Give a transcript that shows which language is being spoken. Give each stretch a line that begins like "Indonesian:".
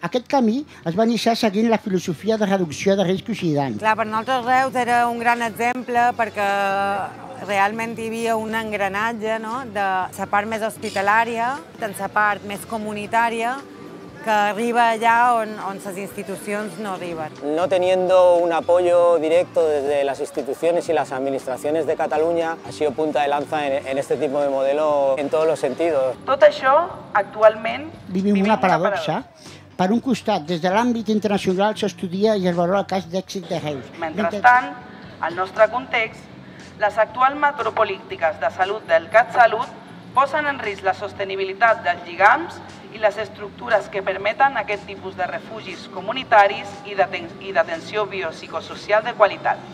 Catalan: Aquest camí es va iniciar seguint la filosofia de reducció de riscos i danys. Clar, per nosaltres Reus era un gran exemple perquè realment hi havia un engranatge, no?, de la part més hospitalària, de la part més comunitària, que arriba allà on les institucions no arriben.
Spanish: No teniendo un apoyo directo desde las instituciones y las administraciones de Cataluña, ha sido punta de lanza en este tipo de modelo en todos los sentidos.
Catalan: Tot això, actualment, vivim una paradoxa. Per un costat, des de l'àmbit internacional s'estudia i es valora el cas d'èxit de Reus. Mentrestant, al nostre context, les actuals metropolítiques de salut del CatSalut posen en risc la sostenibilitat dels lligams i les estructures que permeten aquest tipus de refugis comunitaris i d'atenció biopsicosocial de qualitat.